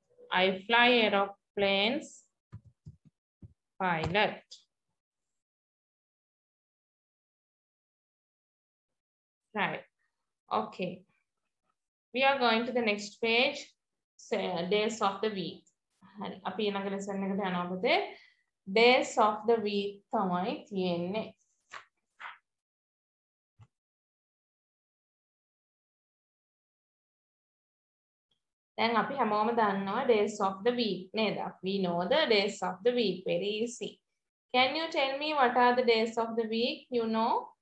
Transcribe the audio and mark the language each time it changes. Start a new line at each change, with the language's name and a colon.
English: I fly aeroplanes. Pilot. Right. Okay. We are going to the next page, say, days of the week.
Sinhala: අපි ඊළඟ lesson එකට යනවා පුතේ.
English: Days of the week
Sinhala: තමයි තියෙන්නේ. දැන් අපි හැමෝම දන්නවා
English: days of the week
Sinhala: නේද?
English: We know the days of the week very easy. Can you tell me what are the days of the week you know?